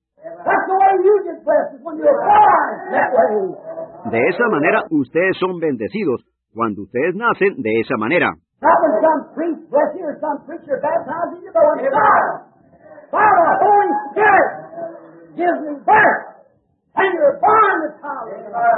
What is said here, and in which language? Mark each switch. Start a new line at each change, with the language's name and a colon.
English: That's the way you get blessed, when you're born that way.
Spanish: De esa manera, ustedes son bendecidos cuando ustedes nacen de esa manera.
English: Not when some priest bless you or some preacher baptizes you, but when you're born. Father, the Holy Spirit gives me birth. And you're born the power.